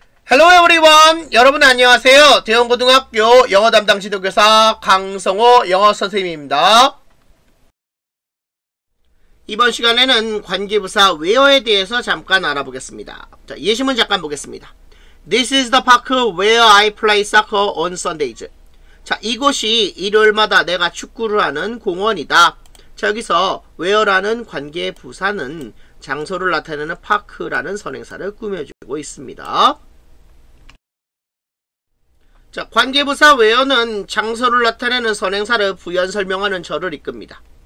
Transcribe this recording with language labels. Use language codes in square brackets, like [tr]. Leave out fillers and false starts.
[en] 헬로 에브리원, [ko] 여러분 안녕하세요. 대형고등학교 영어 담당 지도교사 강성호 영어 선생님입니다. 이번 시간에는 관계부사 where에 대해서 잠깐 알아보겠습니다. 자, 예시문 잠깐 보겠습니다. [en] This is the park where I play soccer on Sundays. [ko] 자, 이곳이 일요일마다 내가 축구를 하는 공원이다. 자, 여기서 where라는 관계부사는 장소를 나타내는 park라는 선행사를 꾸며주고 있습니다. 자, 관계부사 where는 장소를 나타내는 선행사를 부연 설명하는 절을 이끕니다.